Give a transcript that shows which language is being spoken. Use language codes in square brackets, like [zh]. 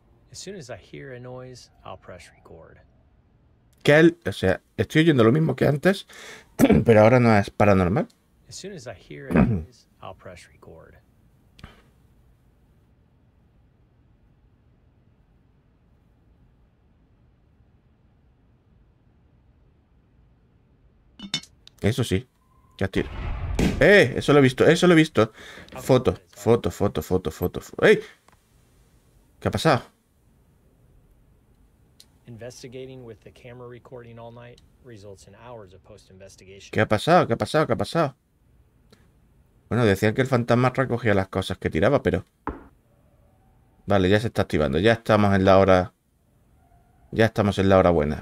[en] As soon as I hear a noise, I'll press record. [es] O sea, estoy oyendo lo mismo que antes, pero ahora no es paranormal. [en] As soon as I hear a noise, I'll press record. [es] Eso sí. Ya tiro. Eso lo he visto, eso lo he visto. Foto, foto, foto, foto, foto. ¡Ey! ¿Qué ha pasado? [en] Investigating with the camera recording all night results in hours of post-investigation. [es] ¿Qué ha pasado? ¿Qué ha pasado? ¿Qué ha pasado? Bueno, decían que el fantasma recogía las cosas que tiraba, pero... Vale, ya se está activando. Ya estamos en la hora... Ya estamos en la hora buena.